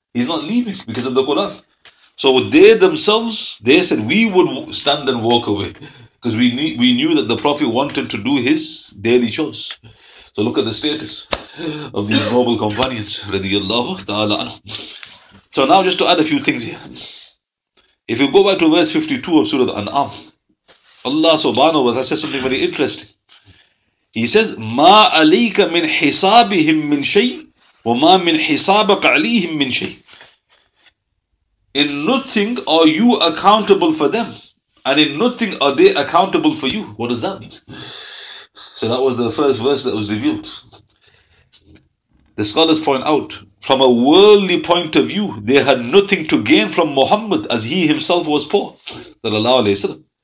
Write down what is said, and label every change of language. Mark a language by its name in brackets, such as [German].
[English] He's not leaving because of the Quran. So they themselves, they said we would stand and walk away, because we knew that the Prophet wanted to do his daily chores. So look at the status of these noble companions, radiyallahu ta'ala anhu. So now just to add a few things here. If you go back to verse 52 of Surah An'am, Allah subhanahu wa ta'ala says something very interesting. He says, [Arabic] مَا عَلَيْكَ مِنْ حِسَابِهِمْ مِنْ شَيْءٍ وَمَا مِنْ حِسَابَكَ عَلَيْهِمْ مِنْ شَيْءٍ. [English] In nothing are you accountable for them, and in nothing are they accountable for you. What does that mean? So that was the first verse that was revealed. The scholars point out, from a worldly point of view, they had nothing to gain from Muhammad, as he himself was poor, sallallahu alayhi wa sallam.